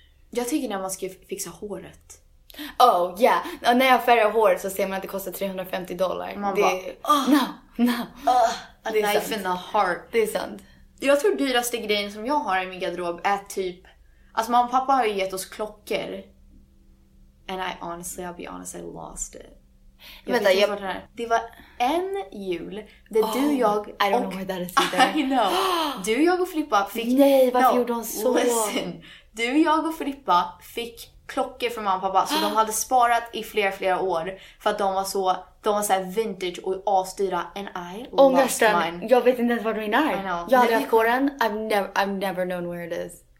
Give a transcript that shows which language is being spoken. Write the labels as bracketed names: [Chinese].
[Swedish] Jag tycker när man ska fixa håret. [English] Oh yeah, [Swedish] och när jag färgar håret så ser man att det kostar $350. Man bara, [English] no. A knife in the heart. [Swedish] Det är sant. Jag tror dyraste grejen som jag har i min garderob är typ... Alltså mamma och pappa har ju gett oss klockor. [English] And I honestly, I'll be honest, I lost it. [Swedish] Det var en jul där du, jag [English] och... I don't know where that is either. I know. [Swedish] Du, jag och Filippa fick... Nej, varför gjorde hon så? [English] Listen. [Swedish] Du, jag och Filippa fick klockor från mamma och pappa. Så de hade sparat i flera år. För att de var så här vintage och asdyra. [English] And I lost mine. [Swedish] Jag vet inte ens var min är. Jag hade haft kåren. [English] I've never known where it is.